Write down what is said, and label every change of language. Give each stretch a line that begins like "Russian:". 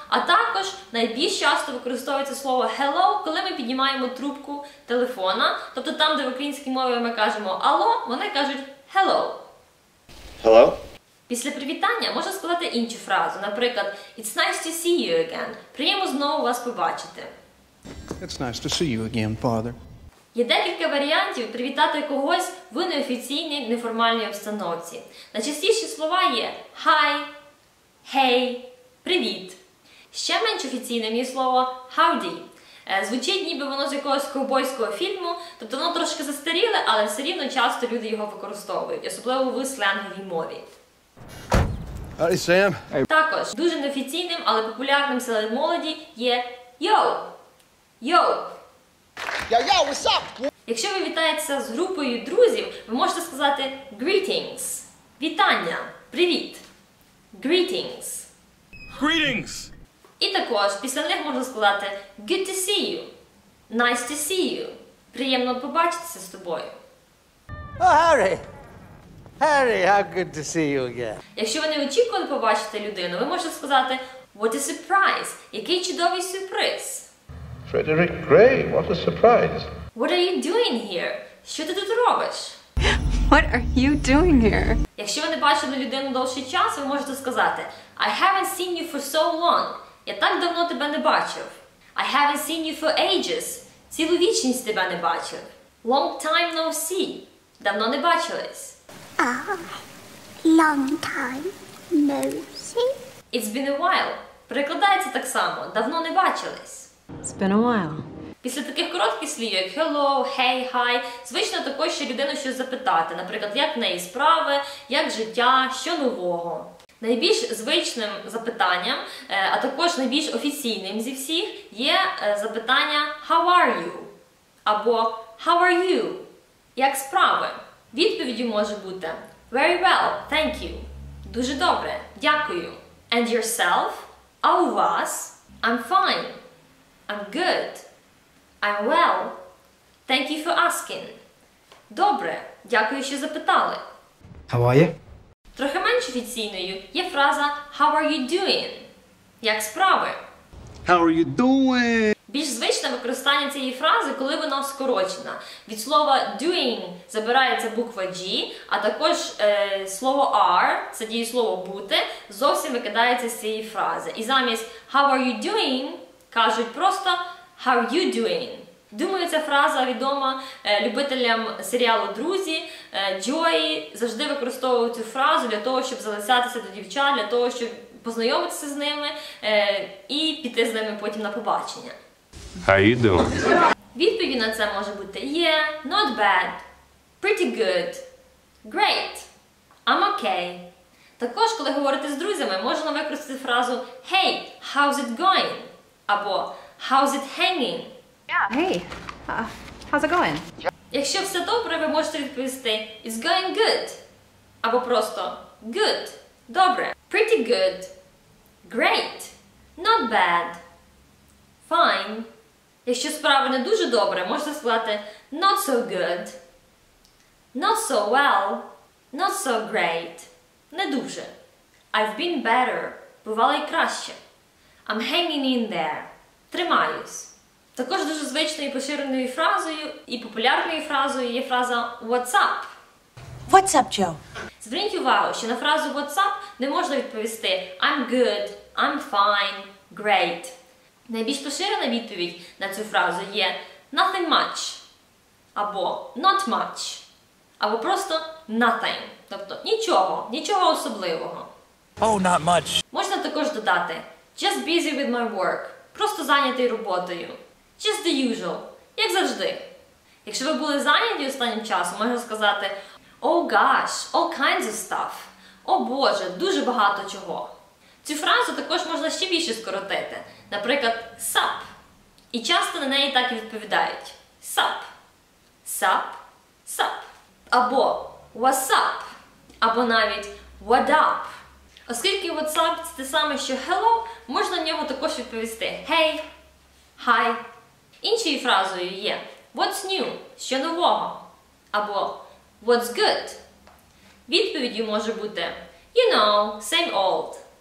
Ukrainian: А також найбільш часто використовується слово hello, коли ми піднімаємо трубку телефона. Тобто там, де в українській мові ми кажемо алло, вони кажуть hello.
English: Hello.
Ukrainian: Після привітання можна сказати іншу фразу, наприклад,
English: it's nice to see you again.
Ukrainian: Приємно знову вас побачити.
English: It's nice to see you again, father.
Ukrainian: Є декілька варіантів привітати когось в неофіційній, неформальній обстановці. Найчастіші слова є «Hi», «Hey», «Привіт». Ще менш офіційним є слово «Howdy». Звучить, ніби воно з якогось ковбойського фільму, тобто воно трошки застаріле, але все рівно часто люди його використовують, особливо в сленговій мові.
English: Hi, Sam. Hey.
Ukrainian: Також дуже неофіційним, але популярним серед молоді є «Yo», «Yo».
English: Yo, what's up?
Ukrainian: Якщо ви вітаєтеся з групою друзів, ви можете сказати greetings. Вітання. Привіт. Greetings.
English: Greetings.
Ukrainian: І також після них можна сказати
English: good to see you. Nice to see you.
Ukrainian: Приємно побачитися з тобою.
English: Oh, Harry. Harry, how good to see you again.
Ukrainian: Якщо ви не очікували побачити людину, ви можете сказати
English: what a surprise.
Ukrainian: Який чудовий сюрприз.
English: Frederick Gray, what a surprise. What are you doing here?
Ukrainian: Що ти тут робиш?
English: What are you doing here?
Ukrainian: Якщо ви не бачили людину довший час, ви можете сказати
English: I haven't seen you for so long.
Ukrainian: Я так давно тебе не бачив.
English: I haven't seen you for ages.
Ukrainian: Цілу вічність тебе не бачив.
English: Long time no see.
Ukrainian: Давно не бачились.
English: Long time no see. It's been a while.
Ukrainian: Перекладається так само. Давно не бачились.
English: It's been a while.
Ukrainian: Після таких коротких слів, як hello, hey, hi, звично також ще людину щось запитати, наприклад, як в неї справи, як життя, що нового. Найбільш звичним запитанням, а також найбільш офіційним зі всіх, є запитання
English: how are you?
Ukrainian: Або
English: how are you?
Ukrainian: Як справи? Відповіддю може бути
English: very well, thank you.
Ukrainian: Дуже добре, дякую.
English: And yourself?
Ukrainian: А у вас?
English: I'm fine. I'm good. I'm well. Thank you for asking.
Ukrainian: Добре, дякую, що запитали.
English: How are you?
Ukrainian: Трохи менш офіційною є фраза
English: How are you doing?
Ukrainian: Як справи?
English: How are you doing?
Ukrainian: Більш звичне використання цієї фрази, коли вона скорочена. Від слова doing забирається буква G, а також слово are, це дієслово бути, зовсім викидається з цієї фрази. І замість
English: How are you doing?
Ukrainian: Кажуть просто
English: «How you doing?».
Ukrainian: Думаю, ця фраза відома любителям серіалу «Друзі». Джої завжди використовує цю фразу для того, щоб залицятися до дівчат, для того, щоб познайомитися з ними і піти з ними потім на побачення.
English: «How you doing?».
Ukrainian: Відповідь на це може бути
English: «Yeah, not bad», «Pretty good», «Great», «I'm okay».
Ukrainian: Також, коли говорити з друзями, можна використати фразу
English: «Hey, how's it going?». Або «How's it hanging?». Yeah. Hey, how's it going?
Ukrainian: Якщо все добре, ви можете відповісти
English: «It's going good».
Ukrainian: Або просто «Good».
English: Добре. «Pretty good». «Great». «Not bad». «Fine».
Ukrainian: Якщо справи не дуже добре, можете сказати
English: «Not so good». «Not so well». «Not so great».
Ukrainian: «Не дуже».
English: «I've been better».
Ukrainian: «Бувало й краще».
English: I'm hanging in there.
Ukrainian: Тримаюсь. Також дуже звичною і поширеною фразою, і популярною фразою є фраза
English: What's up? What's up, Joe?
Ukrainian: Зверніть увагу, що на фразу
English: What's up
Ukrainian: не можна відповісти
English: I'm good, I'm fine, great.
Ukrainian: Найбільш поширена відповідь на цю фразу є
English: Nothing much. Або Not much.
Ukrainian: Або просто Nothing. Тобто нічого, нічого особливого.
English: Oh, not much.
Ukrainian: Можна також додати
English: Just busy with my work.
Ukrainian: Просто зайнятий роботою.
English: Just the usual.
Ukrainian: Як завжди. Якщо ви були зайняті останнім часом, можна сказати
English: Oh gosh, all kinds of stuff.
Ukrainian: О боже, дуже багато чого. Цю фразу також можна ще більше скоротити. Наприклад, sup. І часто на неї так і відповідають. Sup. Sup. Sup. Або
English: what's up, або навіть what up.
Ukrainian: Оскільки WhatsApp – це те саме, що hello, можна на нього також відповісти
English: hey, hi.
Ukrainian: Іншою фразою є
English: what's new,
Ukrainian: що нового, або
English: what's good.
Ukrainian: Відповіддю може бути
English: you know, same old.